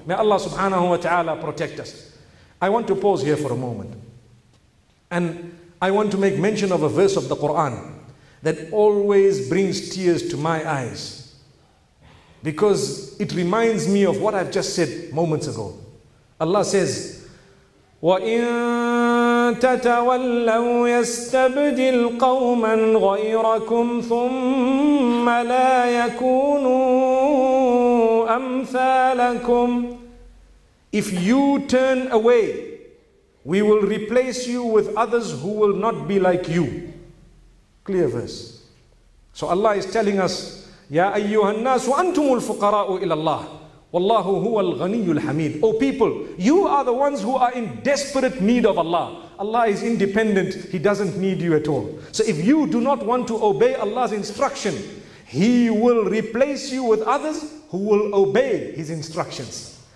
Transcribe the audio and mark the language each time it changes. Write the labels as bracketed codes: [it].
[en] May Allah subhanahu wa ta'ala protect us. I want to pause here for a moment. And I want to make mention of a verse of the Quran that always brings tears to my eyes, because it reminds me of what I've just said moments ago. Allah says, [ar] وَإِن تَتَوَلَّوْا يَسْتَبْدِلْ قَوْمًا غَيْرَكُمْ ثُمَّ لَا يَكُونُوا أَمْثَالَكُمْ. [en] If you turn away, we will replace you with others who will not be like you. Clear verse. So Allah is telling us, [ar] يَا أَيُّهَا النَّاسُ أَنْتُمُ الْفُقَرَاءُ إِلَى اللَّهِ. Wallahu huwa al-ghaniyul hamid. [en] O people, you are the ones who are in desperate need of Allah. Allah is independent, He doesn't need you at all. So if you do not want to obey Allah's instruction, He will replace you with others who will obey His instructions.